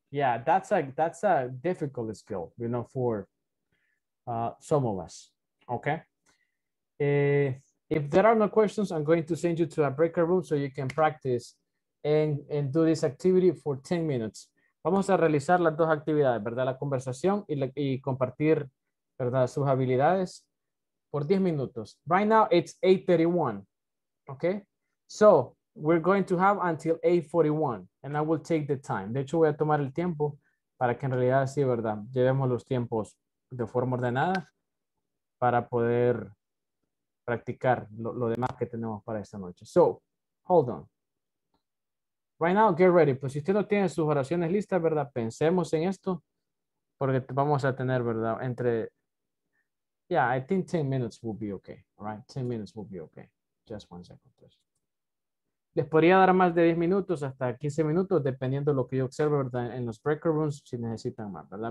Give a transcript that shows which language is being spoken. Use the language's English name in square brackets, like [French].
[English] Yeah, that's a difficult skill, you know, for some of us, okay? If there are no questions, I'm going to send you to a breakout room so you can practice and do this activity for 10 minutes. [Spanish] Vamos a realizar las dos actividades, ¿verdad? La conversación y compartir, ¿verdad? Sus habilidades por 10 minutos. [English] Right now, it's 8:31, okay? So, we're going to have until 8:41, and I will take the time. [Spanish] De hecho, voy a tomar el tiempo para que en realidad sí, ¿verdad? Llevemos los tiempos de forma ordenada para poder practicar lo demás que tenemos para esta noche. [English] So, hold on. Right now, get ready. [Spanish] Pues si usted no tiene sus oraciones listas, ¿verdad? Pensemos en esto porque vamos a tener, ¿verdad? [English] Entre, yeah, I think 10 minutes will be okay. All right, 10 minutes will be okay. Just one second, please. [Spanish] Les podría dar más de 10 minutos hasta 15 minutos, dependiendo de lo que yo observe, ¿verdad? En los breaker rooms, si necesitan más, ¿verdad?